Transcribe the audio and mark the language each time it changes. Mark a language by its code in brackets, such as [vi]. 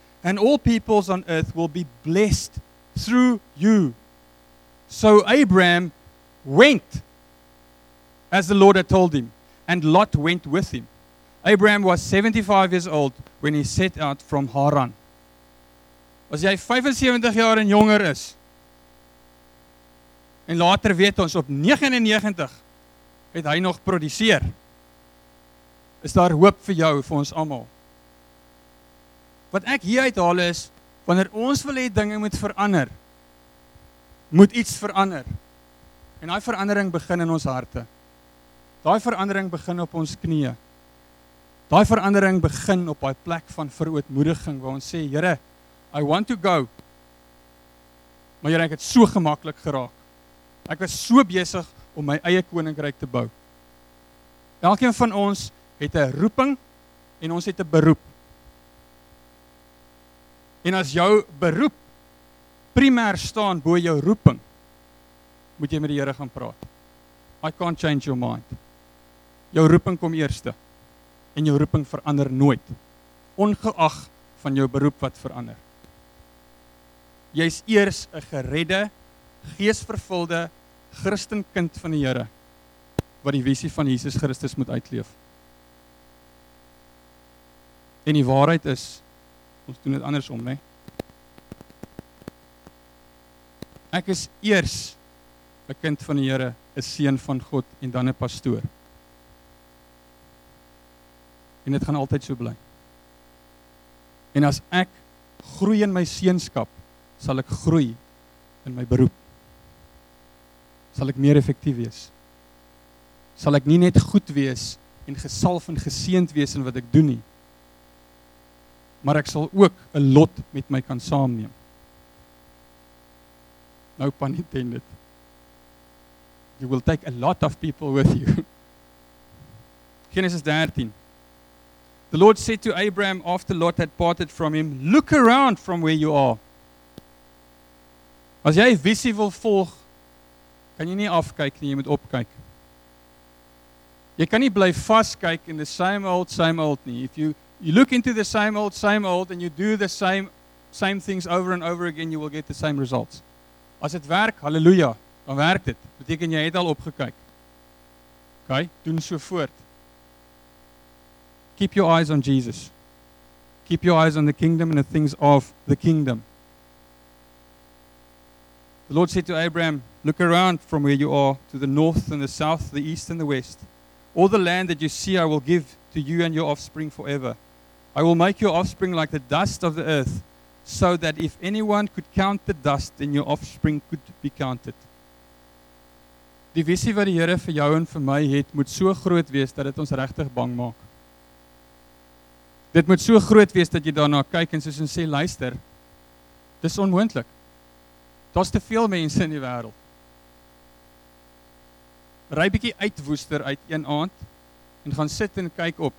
[en] And all peoples on earth will be blessed through you. So Abraham went as the Lord had told him, and Lot went with him. Abraham was 75 years old when he set out from Haran. [af] As jy 75 jaar en jonger is, en later weet ons op 99 het hy nog produseer, is daar hoop vir jou, vir ons allemaal. Wat ek hier uithaal is, wanneer ons wil hê dinge moet verander, moet iets verander. En daai verandering begin in ons harte. Daai verandering begin op ons knieën. Daai verandering begin op daai plek van verootmoediging, waar ons sê, Here, [en] I want to go. [af] Maar Here, ek het so gemaklik geraak. Ek was so besig om my eie koninkryk te bou. Elkeen van ons het 'n roeping en ons het 'n beroep. En as jou beroep primêr staan bo jou roeping, moet jy met die Here gaan praat. [en] I can't change your mind. [af] Jou roeping kom eerste. En jou roeping verander nooit. Ongeag van jou beroep wat verander. Jy is eers 'n geredde, geesvervulde, Christenkind van die Here wat die visie van Jesus Christus moet uitleef. En die waarheid is, ons doen dit andersom, né? Ek is eers 'n kind van die Here, 'n seun van God en dan 'n pastoor. En dit gaan altyd so bly. En as ek groei in my seunskap, sal ek groei in my beroep. Sal ek meer effektief wees. Sal ek nie net goed wees en gesalf en geseend wees in wat ek doen nie. Maar ek sal ook 'n lot met my kan saamneem. [en] No pun intended. You will take a lot of people with you. Genesis 13. The Lord said to Abraham after Lot had parted from him, look around from where you are. [af] As jy 'n visie wil volg, kan jy nie afkyk nie, jy moet opkyk. Jy kan nie bly vaskyk in [en] the same old [af] nie. [en] If you look into the same old, and you do the same things over and over again, you will get the same results. [af] As dit werk, halleluja, dan werk dit. Beteken jy het al opgekyk. Okay, doen so voort. [en] Keep your eyes on Jesus. Keep your eyes on the kingdom and the things of the kingdom. The Lord said to Abraham, look around from where you are, to the north and the south, the east and the west. All the land that you see I will give to you and your offspring forever. I will make your offspring like the dust of the earth, so that if anyone could count the dust, then your offspring could be counted. [af] Die visie wat die Here vir jou en vir my het, moet so groot wees dat dit ons regtig bang maak. Dit moet so groot wees dat jy daarna kyk en soos en sê, luister, dis onmoontlik. Daar's te veel mense in die wêreld. Ry bietjie uit Woester uit een aand en gaan sit en kyk op.